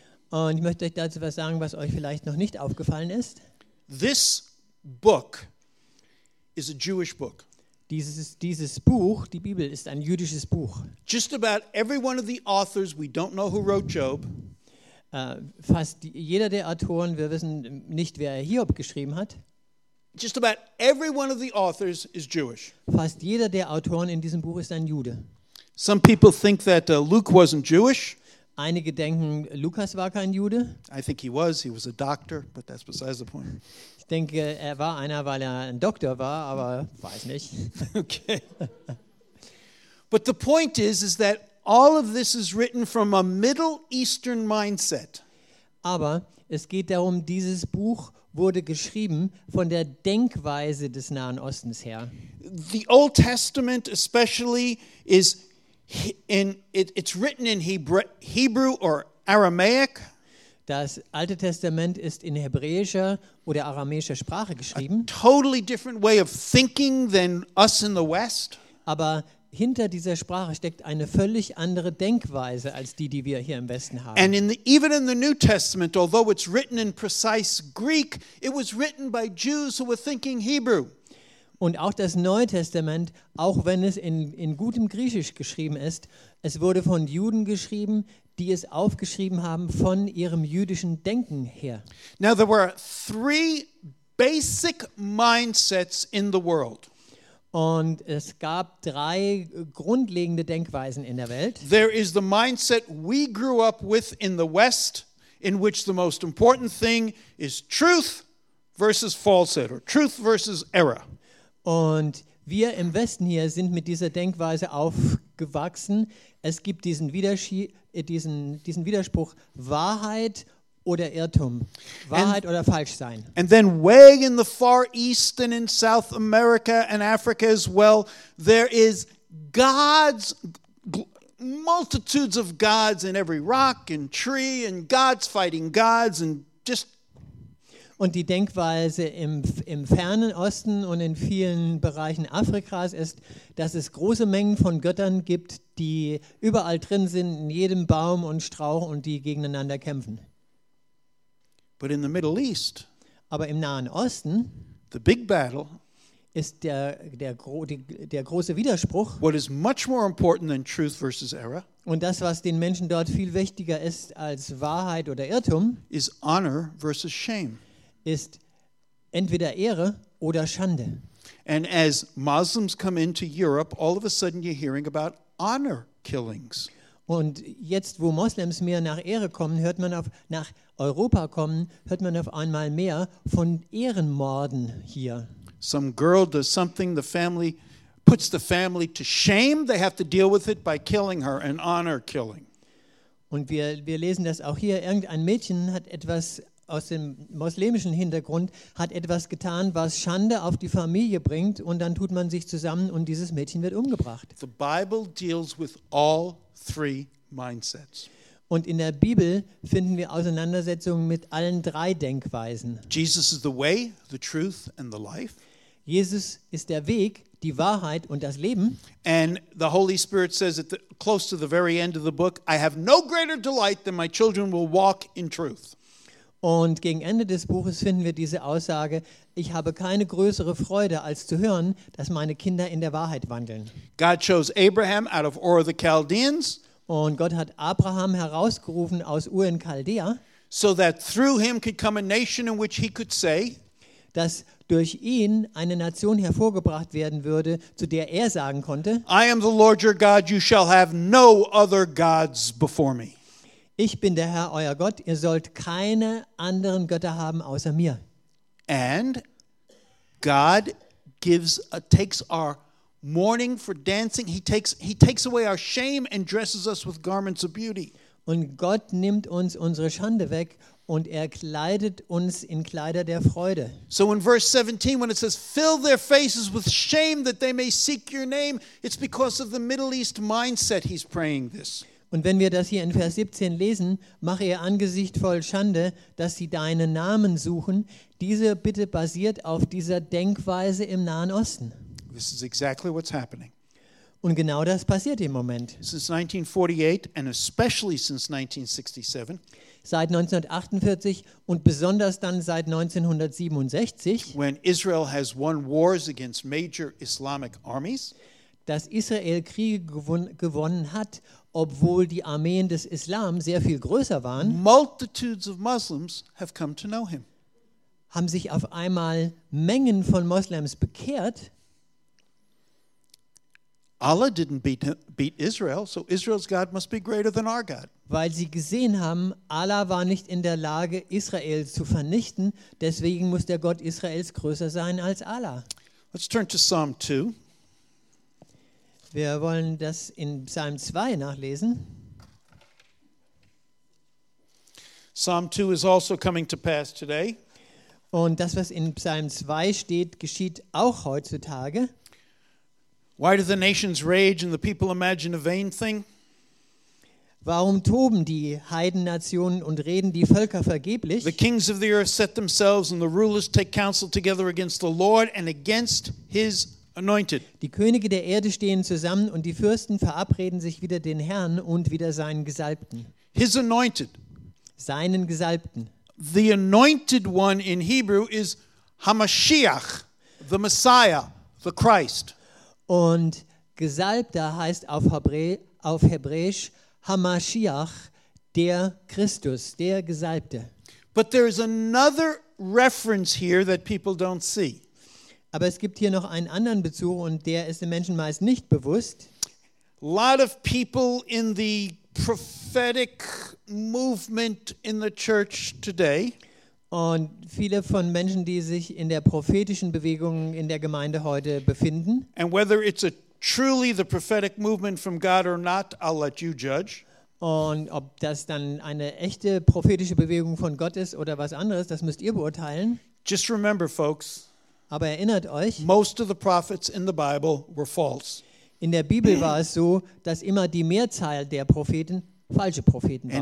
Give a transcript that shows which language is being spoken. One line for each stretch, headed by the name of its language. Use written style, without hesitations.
German: Und ich möchte euch dazu was sagen, was euch vielleicht noch nicht aufgefallen ist.
English: This book is a Jewish book.
German: Dieses Buch, die Bibel, ist ein jüdisches Buch.
English: Just about every one of the authors, we don't know who wrote Job.
German: Fast jeder der Autoren, wir wissen nicht, wer Hiob geschrieben hat.
English: Just about every one of the authors is Jewish.
German: Fast jeder der Autoren in diesem Buch ist ein Jude.
English: Some people think that Luke wasn't Jewish.
German: Einige denken, Lukas war kein Jude.
English: I think he was a doctor, but that's besides the point.
German: Ich denke, er war einer, weil er ein Doktor war, aber weiß nicht. Okay.
English: But the point is that all of this is written from a Middle Eastern mindset.
German: Aber es geht darum, dieses Buch wurde geschrieben von der Denkweise des Nahen Ostens her.
English: The Old Testament especially is it's written in Hebrew or Aramaic.
German: Das Alte Testament ist in hebräischer oder aramäischer Sprache geschrieben.
English: A totally different way of thinking than us in the West.
German: Aber hinter dieser Sprache steckt eine völlig andere Denkweise als die wir hier im Westen haben.
English: And even in the New Testament, although it's written in precise Greek, it was written by Jews who were thinking Hebrew.
German: Und auch das Neue Testament, auch wenn es in gutem Griechisch geschrieben ist, es wurde von Juden geschrieben, die es aufgeschrieben haben von ihrem jüdischen Denken her.
English: Now there were three basic mindsets in the world.
German: Und es gab drei grundlegende Denkweisen in der Welt.
English: There is the mindset we grew up with in the West, in which the most important thing is truth versus falsehood or truth versus error.
German: Und wir im Westen hier sind mit dieser Denkweise aufgewachsen. Es gibt diesen Widerspruch Wahrheit oder Irrtum, Wahrheit oder Falschsein.
English: And then way in the Far East and in South America and Africa as well, there is God's, multitudes of gods in every rock and tree and gods fighting gods and just.
German: Und die Denkweise im fernen Osten und in vielen Bereichen Afrikas ist, dass es große Mengen von Göttern gibt, die überall drin sind, in jedem Baum und Strauch, und die gegeneinander kämpfen.
English: But in the Middle East,
German: aber im Nahen Osten,
English: the big battle,
German: ist der große Widerspruch.
English: What is much more important than truth versus error?
German: Und das, was den Menschen dort viel wichtiger ist als Wahrheit oder Irrtum,
English: is honor versus shame.
German: Ist entweder Ehre oder Schande.
English: And as Muslims come into Europe, all of a sudden you're hearing about honor killings.
German: Und jetzt, wo Moslems mehr nach Ehre kommen, hört man auf nach Europa kommen, hört man auf einmal mehr von Ehrenmorden hier.
English: Some girl does something, the family puts the family to shame. They have to deal with it by killing her, an honor killing.
German: Und wir lesen das auch hier. Irgendein Mädchen hat etwas aus dem muslimischen Hintergrund hat etwas getan, was Schande auf die Familie bringt, und dann tut man sich zusammen und dieses Mädchen wird umgebracht.
English: The Bible deals with all three mindsets.
German: Und in der Bibel finden wir Auseinandersetzungen mit allen drei Denkweisen.
English: Jesus is the way, the truth and the life.
German: Jesus ist der Weg, die Wahrheit und das Leben.
English: And the Holy Spirit says at close to the very end of the book, I have no greater delight than my children will walk in truth.
German: Und gegen Ende des Buches finden wir diese Aussage, ich habe keine größere Freude, als zu hören, dass meine Kinder in der Wahrheit wandeln.
English: God chose Abraham out of Ur of the Chaldeans.
German: Und Gott hat Abraham herausgerufen aus Ur in Chaldea.
English: So that through him could come a nation in which he could say,
German: dass durch ihn eine Nation hervorgebracht werden würde, zu der er sagen konnte,
English: I am the Lord your God, you shall have no other gods before me.
German: Ich bin der Herr, euer Gott. Ihr sollt keine anderen Götter haben außer mir.
English: And God takes our mourning for dancing. He takes away our shame and dresses us with garments of beauty.
German: Und Gott nimmt uns unsere Schande weg und er kleidet uns in Kleider der Freude.
English: So in verse 17, when it says, fill their faces with shame that they may seek your name, it's because of the Middle East mindset he's praying this.
German: Und wenn wir das hier in Vers 17 lesen, mache ihr Angesicht voll Schande, dass sie deinen Namen suchen. Diese Bitte basiert auf dieser Denkweise im Nahen Osten.
English: This is exactly what's happening.
German: Und genau das passiert im Moment.
English: Since 1948 and especially since 1967.
German: Seit 1948 und besonders dann seit 1967.
English: When Israel has won wars against major Islamic armies.
German: Dass Israel Kriege gewonnen hat, obwohl die Armeen des Islam sehr viel größer waren,
English: multitudes of Muslims have come to know him.
German: Haben sich auf einmal Mengen von Moslems bekehrt.
English: Allah didn't beat Israel, so Israel's God must be greater than our God.
German: Weil sie gesehen haben, Allah war nicht in der Lage, Israel zu vernichten, deswegen muss der Gott Israels größer sein als Allah.
English: Let's turn to Psalm 2.
German: Wir wollen das in Psalm 2 nachlesen.
English: Psalm 2 is also coming to pass today.
German: Und das, was in Psalm 2 steht, geschieht auch heutzutage.
English: Why do the nations rage and the people imagine a vain thing?
German: Warum toben die Heidennationen und reden die Völker vergeblich?
English: The kings of the earth set themselves and the rulers take counsel together against the Lord and against his Anointed.
German: Die Könige der Erde stehen zusammen und die Fürsten verabreden sich wieder den Herrn und wieder seinen Gesalbten.
English: His anointed.
German: Seinen Gesalbten.
English: The anointed one in Hebrew is HaMashiach, the Messiah, the Christ.
German: Und Gesalbter heißt auf Hebräisch HaMashiach, der Christus, der Gesalbte.
English: But there is another reference here that people don't see.
German: Aber es gibt hier noch einen anderen Bezug und der ist den Menschen meist nicht bewusst.
English: A lot of people in the prophetic movement in the church today.
German: Und viele von Menschen, die sich in der prophetischen Bewegung in der Gemeinde heute befinden.
English: And whether it's a truly the prophetic movement from God or not, I'll let you judge.
German: Und ob das dann eine echte prophetische Bewegung von Gott ist oder was anderes, das müsst ihr beurteilen.
English: Just remember, folks.
German: Aber erinnert euch,
English: most of the prophets in the Bible were false.
German: In der Bibel war es so, dass immer die Mehrzahl der Propheten falsche Propheten waren.